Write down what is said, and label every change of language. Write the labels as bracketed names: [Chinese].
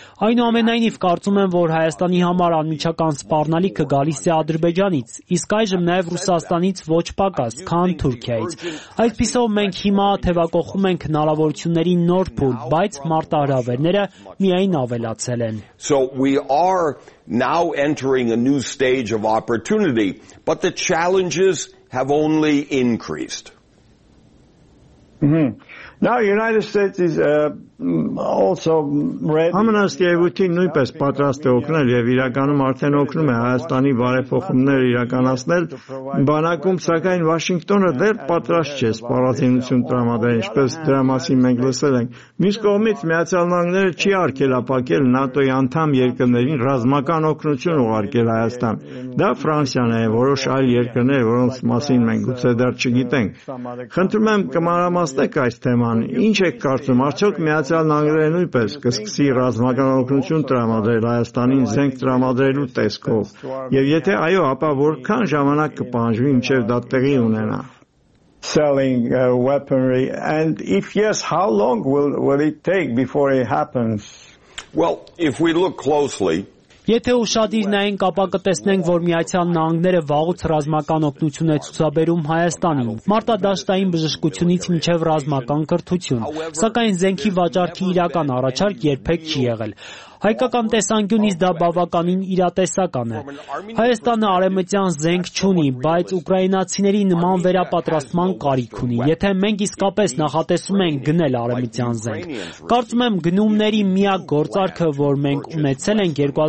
[Armenian] Այնուամենայնիվ կարծում եմ, որ Հայաստանի համար անմիջական սպառնալիքը գալիս է Ադրբեջանից, իսկ այժմ նաև Ռուսաստանից ոչ պակաս, քան Թուրքիայից։ Այդպիսով մենք հիմա թևակոխում ենք հնարավորությունների նոր փուլ, բայց մարտահրավերները միայն ավելացել են։ [English] So we are now entering a new stage of opportunity, but the challenges have only increased. Now United States is also ready. [Armenian] Համանաստիևութին նույնպես պատրաստ է օգնել եւ իրականում արդեն օգնում է Հայաստանի բարեփոխումները իրականացնել։ Բանակում սակայն Վաշինգտոնը դեռ պատրաստ չէ սպառազինություն տրամադրել, ինչպես դրա մասին մենք լսել ենք։ Մյուս կողմից Միացյալ Նահանգները չի արգելապակել ՆԱՏՕ-ի անդամ երկրներին ռազմական օգնություն ուղարկել Հայաստան։ Դա Ֆրանսիան է, որոշ այլ երկրներ, որոնց մասին մենք գուցե դեռ չգիտենք։ Խնդրում եմ կմանրամասնեք այս թեման։ Ինչ եք կարծում, արդյոք Միացյալ Նահանգները նույնպես կսկսի ռազմական օգնություն տրամադրել Հայաստանին զենք տրամադրելու տեսքով, եւ եթե այո, ապա որքան ժամանակ կպահանջվի, մինչեւ դա տեղի ունենա? [English] Selling weaponry, and if yes, how long will it take before it happens? Well, if we look closely, [Armenian] եթե ուշադիր նայենք, ապա կտեսնենք, որ Միացյալ Նահանգները վաղուց ռազմական օգնություն է ցուցաբերում Հայաստանին, մարտադաշտային բժշկությունից մինչև ռազմական կրթություն, սակայն զենքի վաճառքի իրական առաջարկ երբեք չի եղել։ Հայկական տեսանկյունից դա բավականին իրատեսական է։ Հայաստանը արևմտյան զենք չունի, բայց ուկրաինացիների նման վերապատրաստման կարիք ունի, եթե մենք իսկապես նախատեսում ենք գնել արևմտյան զենք։ Կարծում եմ, գնումների միակ գործարքը, որ մենք ունեցել ենք